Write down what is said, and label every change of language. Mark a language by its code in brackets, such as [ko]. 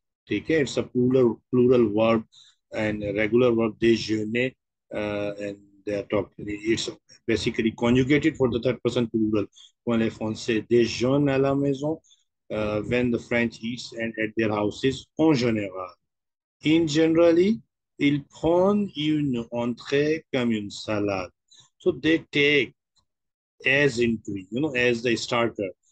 [ur] Theek hai? [en] It's a plural verb and regular verb, déjeuner. And they are talking. It's basically conjugated for the third person plural. [fr] Quand les Français déjeunent à la maison. [en] When the French eat and at their houses, [fr] en général. [en] In generally, [fr] ils prennent une entrée comme une salade. [en] So they take as entry, as the starter.